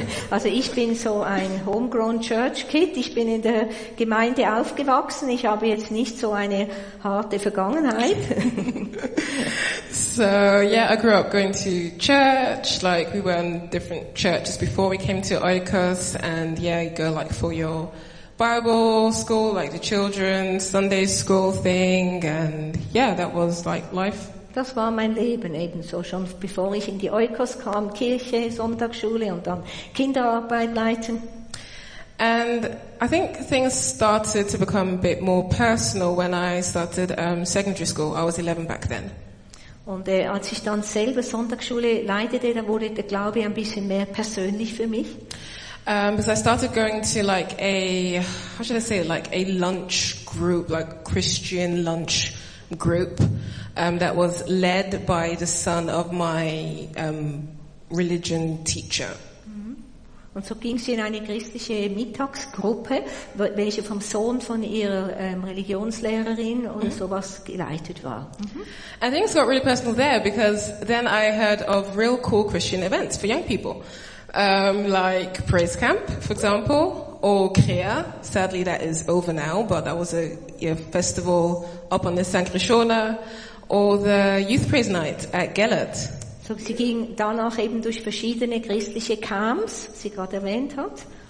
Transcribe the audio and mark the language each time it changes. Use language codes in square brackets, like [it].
[de] Also ich bin so ein [en] homegrown church kid. [de] Ich bin in der Gemeinde aufgewachsen. Ich habe jetzt nicht so eine harte Vergangenheit. [en] So yeah, I grew up going to church. Like we were in different churches before we came to Oikos, and yeah, you go like for your Bible school, like the children's Sunday school thing, and yeah, that was like life. [de] Das war mein Leben ebenso, schon bevor ich in die Oikos kam, Kirche, Sonntagsschule und dann Kinderarbeit leiten. [en] And I think things started to become a bit more personal when I started secondary school. I was 11 back then. [de] Und als ich dann selber Sonntagsschule leitete, da wurde der Glaube ein bisschen mehr persönlich für mich. [en] Because I started going to like a, how should I say it, like a lunch group, like Christian lunch group that was led by the son of my religion teacher. [de] Und so ging sie in eine christliche Mittagsgruppe, welche vom Sohn von ihrer Religionslehrerin und sowas geleitet war. [en] And things got really personal there because then I heard of real cool Christian events for young people. Like Praise Camp, for example, or Crea. Sadly, that is over now, but that was a festival up on the St. Krishona, or the Youth Praise Night at Gellert. [de] So sie ging danach eben durch verschiedene christliche Camps, sie gerade erwähnt hat.